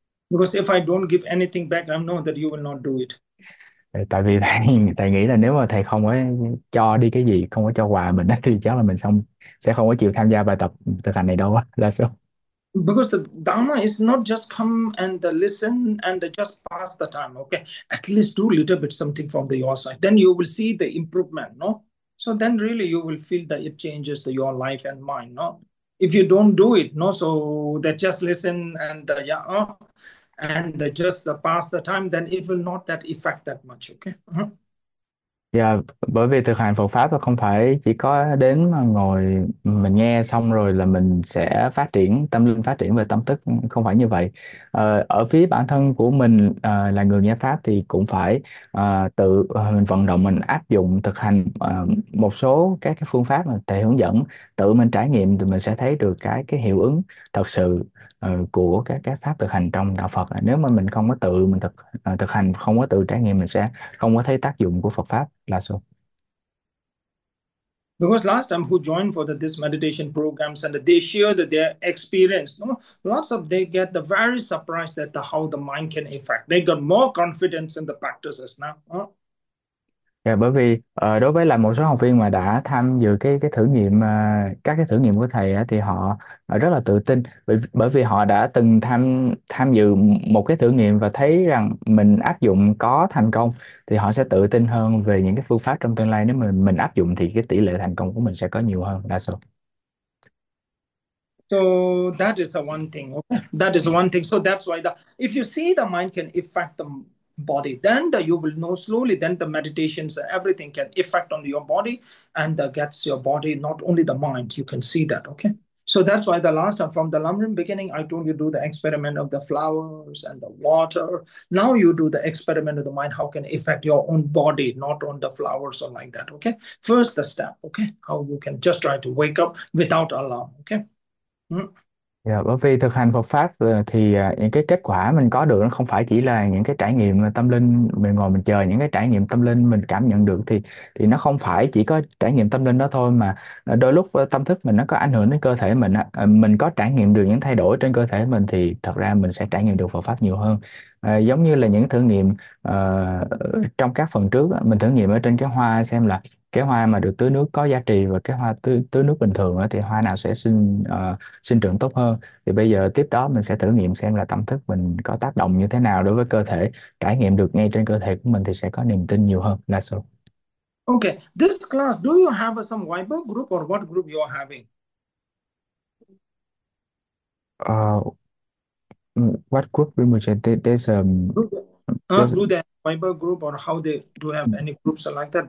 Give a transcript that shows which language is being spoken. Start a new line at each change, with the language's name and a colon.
English: Because if I don't give anything back, I know that you will not do it.
Vietnamese: Tại vì thầy nghĩ là nếu mà thầy không có cho đi cái gì, không có cho quà mình thì chắc là mình xong sẽ không có chịu tham gia bài tập thực hành này đâu á, là sao?
English: Because the Dharma is not just come and listen and just pass the time, okay? At least do a little bit something from the your side. Then you will see the improvement, no? So then really you will feel that it changes your life and mind, no? If you don't do it, no, so they just listen and and they just pass the time, then it will not that affect that much, okay?
Vietnamese: Yeah, bởi vì thực hành Phật pháp là không phải chỉ có đến mà ngồi mình nghe xong rồi là mình sẽ phát triển tâm linh, phát triển về tâm thức, không phải như vậy. Ở phía bản thân của mình là người nghe pháp thì cũng phải tự mình vận động, mình áp dụng thực hành một số các cái phương pháp mà thầy hướng dẫn, tự mình trải nghiệm thì mình sẽ thấy được cái hiệu ứng thật sự của các pháp thực hành trong đạo Phật. Nếu mà mình không có tự mình thực hành, không có tự trải nghiệm, mình sẽ không có thấy tác dụng của Phật pháp là số.
English: Because last time who joined for this meditation programs and they share their experience, no? Lots of they get the very surprised that how the mind can affect. They got more confidence in the practices now.
Vietnamese: Yeah, bởi vì đối với là một số học viên mà đã tham dự cái thử nghiệm các cái thử nghiệm của thầy thì họ rất là tự tin, bởi vì họ đã từng tham tham dự một cái thử nghiệm và thấy rằng mình áp dụng có thành công, thì họ sẽ tự tin hơn về những cái phương pháp trong tương lai. Nếu mà mình áp dụng thì cái tỷ lệ thành công của mình sẽ có nhiều hơn, đa số.
English: So that is the one thing. Okay? That is one thing. So that's why if you see the mind can affect the body, then you will know slowly. Then the meditations, everything can affect on your body and gets your body, not only the mind. You can see that. Okay. So that's why the last time from the Lamrim beginning, I told you do the experiment of the flowers and the water. Now you do the experiment of the mind. How can it affect your own body, not on the flowers or like that. Okay. First the step. Okay. How you can just try to wake up without alarm. Okay.
Vietnamese: Yeah, bởi vì thực hành Phật pháp thì những cái kết quả mình có được nó không phải chỉ là những cái trải nghiệm tâm linh, mình ngồi mình chờ những cái trải nghiệm tâm linh mình cảm nhận được, thì nó không phải chỉ có trải nghiệm tâm linh đó thôi, mà đôi lúc tâm thức mình nó có ảnh hưởng đến cơ thể mình, mình có trải nghiệm được những thay đổi trên cơ thể mình thì thật ra mình sẽ trải nghiệm được Phật pháp nhiều hơn. Giống như là những thử nghiệm trong các phần trước mình thử nghiệm ở trên cái hoa xem là cái hoa mà được tưới nước có giá trị và cái hoa tưới nước bình thường thì hoa nào sẽ sinh sinh trưởng tốt hơn. Thì bây giờ tiếp đó mình sẽ thử nghiệm xem là tâm thức mình có tác động như thế nào đối với cơ thể, trải nghiệm được ngay trên cơ thể của mình thì sẽ có niềm tin nhiều hơn, là sao?
English: Okay, this class, do you have some Viber group or what group you are having? What group Rinpoche? There's Do they have Viber group or how they do have any groups like that?